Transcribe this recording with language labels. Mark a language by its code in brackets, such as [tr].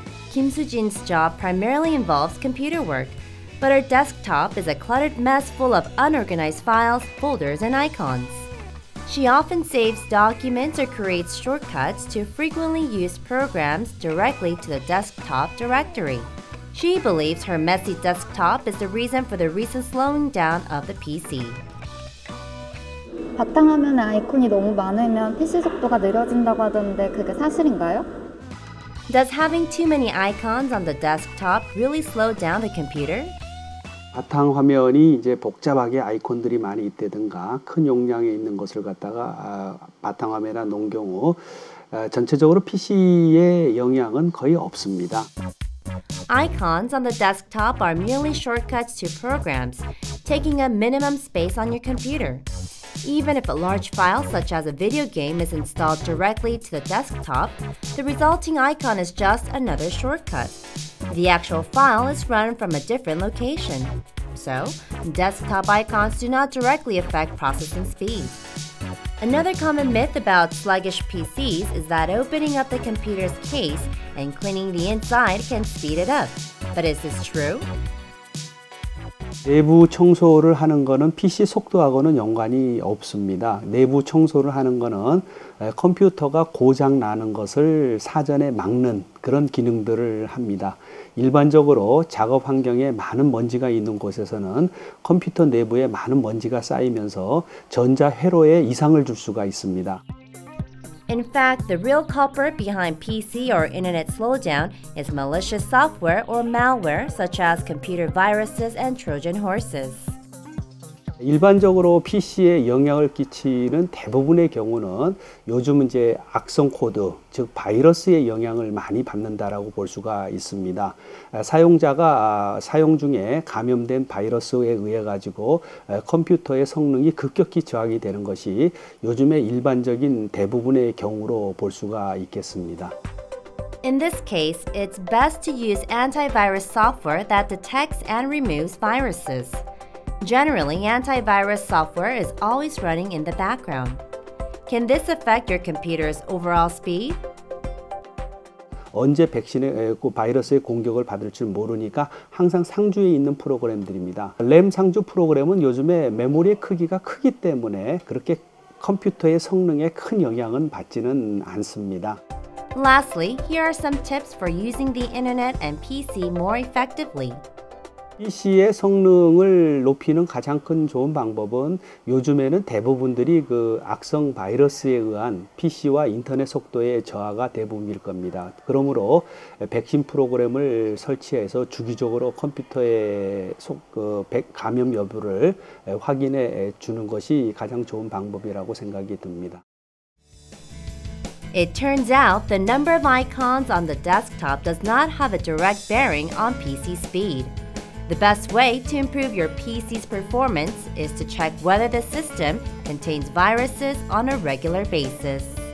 [en] Kim Soo-jin's job primarily involves computer work, but her desktop is a cluttered mess full of unorganized files, folders, and icons. She often saves documents or creates shortcuts to frequently used programs directly to the desktop directory. She believes her messy desktop is the reason for the recent slowing down of the PC. [ko] 바탕화면에 아이콘이 너무 많으면 PC 속도가 느려진다고 하던데 그게 사실인가요? [en] Does having too many icons on the desktop really slow down the computer? [ko] 바탕화면이 이제 복잡하게 아이콘들이 많이 있다든가 큰 용량에 있는 것을 갖다가 바탕화면이나 놓은 경우 전체적으로 PC의 영향은 거의 없습니다. [en] Icons on the desktop are merely shortcuts to programs, taking up minimum space on your computer. Even if a large file such as a video game is installed directly to the desktop, the resulting icon is just another shortcut. The actual file is run from a different location. So, desktop icons do not directly affect processing speed. Another common myth about sluggish PCs is that opening up the computer's case and cleaning the inside can speed it up. But is this true? [ko] 내부 청소를 하는 거는 PC 속도하고는 연관이 없습니다. 내부 청소를 하는 거는 컴퓨터가 고장 나는 것을 사전에 막는 그런 기능들을 합니다. 일반적으로 작업 환경에 많은 먼지가 있는 곳에서는 컴퓨터 내부에 많은 먼지가 쌓이면서 전자 회로에 이상을 줄 수가 있습니다. [en] In fact, the real culprit behind PC or internet slowdown is malicious software or malware such as computer viruses and Trojan horses. [ko] 일반적으로 PC에 영향을 끼치는 대부분의 경우는 요즘 이제 악성 코드, 즉 바이러스의 영향을 많이 받는다라고 볼 수가 있습니다. 사용자가 사용 중에 감염된 바이러스에 의해 가지고 컴퓨터의 성능이 급격히 저하가 되는 것이 요즘의 일반적인 대부분의 경우로 볼 수가 있겠습니다. [en] In this case, it's best to use antivirus software that detects and removes viruses. Generally, antivirus software is always running in the background. Can this affect your computer's overall speed? [ko] 언제 백신의 바이러스의 공격을 받을지 모르니까 항상 상주에 있는 프로그램들입니다. 램 상주 프로그램은 요즘에 메모리의 크기가 크기 때문에 그렇게 컴퓨터의 성능에 큰 영향은 받지는 않습니다. [en] Lastly, here are some tips for using the internet and PC more effectively. [ko] PC의 성능을 높이는 가장 큰 좋은 방법은 요즘에는 대부분들이 그 악성 바이러스에 의한 PC와 인터넷 속도의 저하가 대부분일 겁니다. 그러므로 백신 프로그램을 설치해서 주기적으로 컴퓨터의 감염 여부를 확인해 주는 것이 가장 좋은 방법이라고 생각이 듭니다. [en] It turns out the number of icons on the desktop does not have a direct bearing on PC speed. The best way to improve your PC's performance is to check whether the system contains viruses on a regular basis.